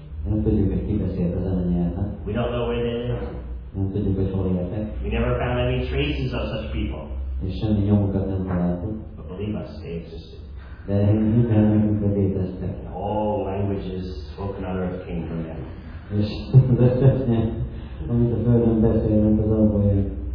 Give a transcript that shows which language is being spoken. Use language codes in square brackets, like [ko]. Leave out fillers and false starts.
[hu] Nem tudjuk, hogy ki beszélt ezen a nyelven. [en] We don't know where they live. [hu] Nem tudjuk, hogy hol éltek. [en] We never found any traces of such people. [hu] És semmi nyomukat nem találtuk. [en] But believe us, they existed. [hu] De minden nekünk a léteztek. [en] All languages spoken on earth came from them. [hu] És az összes nyelv, amit a Földön beszélnek, az abból jött.